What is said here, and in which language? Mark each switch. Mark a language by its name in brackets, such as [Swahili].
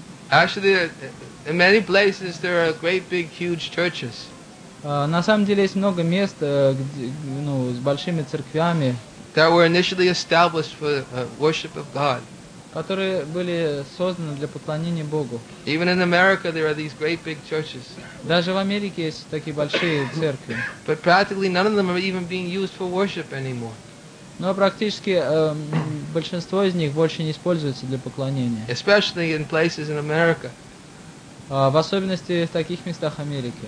[English] Actually, in many places there are great big huge churches. [Russian] На самом деле есть много мест, где, с большими церквями. [English] That were initially established for worship of God. [Russian] которые были созданы для поклонения Богу. [English] Even in America, there are these great big churches. [Russian] Даже в Америке есть такие большие церкви. [English] But practically none of them are even being used for worship anymore. [Russian] Но практически большинство из них больше не используется для поклонения. [English] Especially in places in America. [Russian] В особенности в таких местах Америки.